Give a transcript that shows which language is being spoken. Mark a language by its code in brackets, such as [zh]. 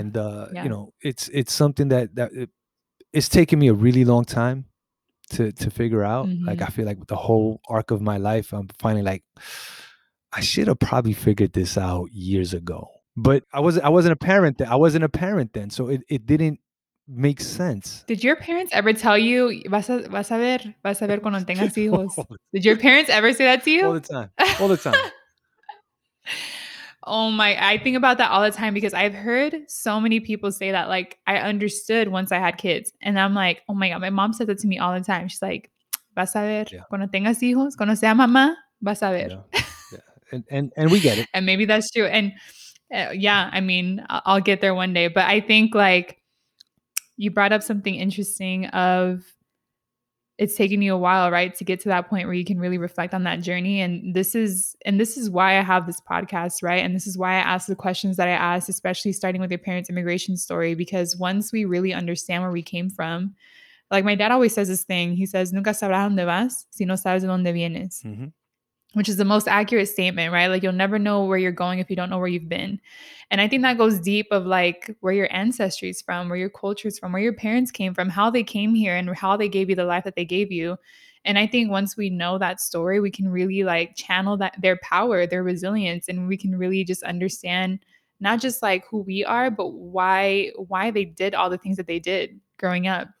[en] You know, it's something that it's taken me a really long time to figure out. Mm-hmm. Like, I feel like with the whole arc of my life, I'm finally like, I should have probably figured this out years ago. But I wasn't a parent then. So it didn't makes sense. Did your parents ever tell you [es] vas a ver cuando tengas hijos? [en] Did your parents ever say that to you? All the time. I think about that all the time, because I've heard so many people say that, like, I understood once I had kids. And I'm like, oh my god, my mom says that to me all the time. She's like, [es] vas a ver [en] yeah. [es] cuando tengas hijos, cuando sea mamá, vas a ver. [en] Yeah. and we get it. And maybe that's true. And yeah, I mean, I'll get there one day. But I think, like, you brought up something interesting of it's taken you a while, right, to get to that point where you can really reflect on that journey. And this is why I have this podcast, right? And this is why I ask the questions that I ask, especially starting with your parents' immigration story, because once we really understand where we came from, like, my dad always says this thing. He says, [es] nunca sabrás dónde vas si no sabes de dónde vienes, mm-hmm. [en] which is the most accurate statement, right? Like, you'll never know where you're going if you don't know where you've been. And I think that goes deep of, like, where your ancestry is from, where your culture is from, where your parents came from, how they came here and how they gave you the life that they gave you. And I think once we know that story, we can really like channel that their power, their resilience, and we can really just understand not just like who we are, but why they did all the things that they did growing up.